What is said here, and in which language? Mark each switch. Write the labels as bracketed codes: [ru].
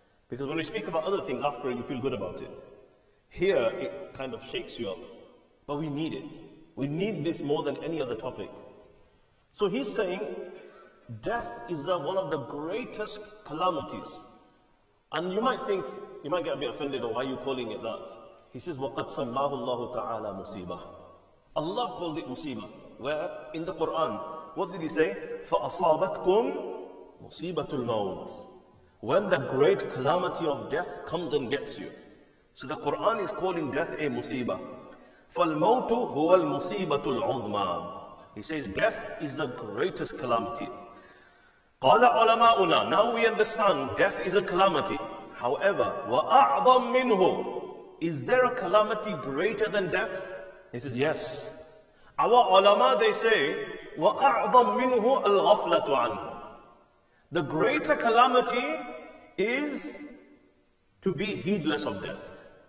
[en] Because when we speak about other things after, you feel good about it. Here, it kind of shakes you up. But we need it. We need this more than any other topic. So he's saying, death is one of the greatest calamities. And you might think, you might get a bit offended, or why are you calling it that? He says, [ar] وَقَدْ سَمَّاهُ اللَّهُ تَعَالَى مُصِيبَةً. [en] Allah called it musibah. Where? In the Quran. What did He say? [ar] فَأَصَابَتْكُمْ مُصِيبَةُ الْمَوْتِ. [en] When the great calamity of death comes and gets you. So the Quran is calling death a musibah. [ar] فَالْمَوْتُ هُوَ الْمُصِيبَةُ الْعُظْمَى. [en] He says death is the greatest calamity. [ar] قَالَ عُلَمَاؤُنَا. [en] Now we understand death is a calamity. However, [ar] وَأَعْظَمْ مِنْهُ. [en] Is there a calamity greater than death? He says yes. Our ulama, they say, [ar] وَأَعْظَمْ مِنْهُ الْغَفْلَةُ عَنْهُ. [en] The greater calamity is to be heedless of death.